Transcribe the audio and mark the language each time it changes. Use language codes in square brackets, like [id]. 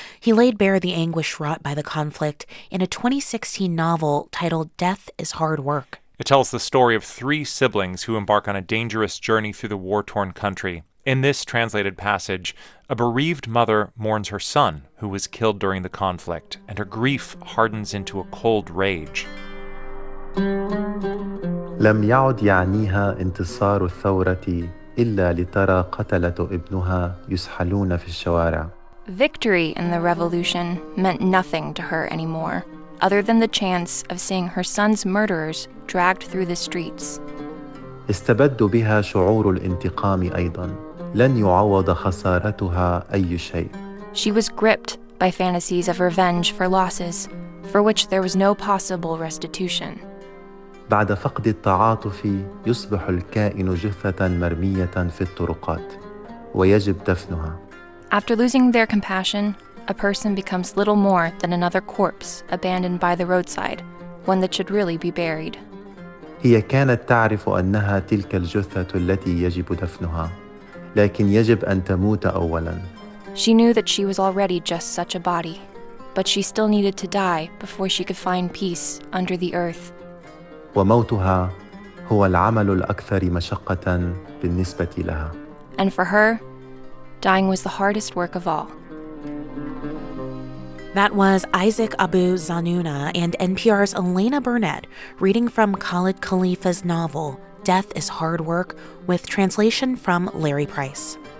[en] He laid bare the anguish wrought by the conflict in a 2016 novel titled Death is Hard Work. It tells the story of three siblings who embark on a dangerous journey through the war-torn country. In this translated passage, a bereaved mother mourns her son, who was killed during the conflict, and her grief hardens into a cold rage. [ar] لم يعد يعنيها انتصار الثورة إلا لترى قتلة ابنها يسحلون في الشوارع. [en] Victory in the revolution meant nothing to her anymore, other than the chance of seeing her son's murderers dragged through the streets. [ar] استبد بها شعور الانتقام أيضا. لن يعوض خسارتها أي شيء. [en] She was gripped by fantasies of revenge for losses, for which there was no possible restitution. [ar] بعد فقد التعاطف يصبح الكائن جثة مرمية في الطرقات ويجب دفنها. [en] After losing their compassion, a person becomes little more than another corpse abandoned by the roadside, one that should really be buried. [ar] هي كانت تعرف أنها تلك الجثة التي يجب دفنها، لكن يجب أن تموت أولا. [en] She knew that she was already just such a body, but she still needed to die before she could find peace under the earth. [ar] وموتها هو العمل الأكثر مشقة بالنسبة لها. [en] And for her, dying was the hardest work of all. That was Isaac Abu Zanuna and NPR's Elena Burnett reading from Khaled Khalifa's novel, Death is Hard Work, with translation from Larry Price.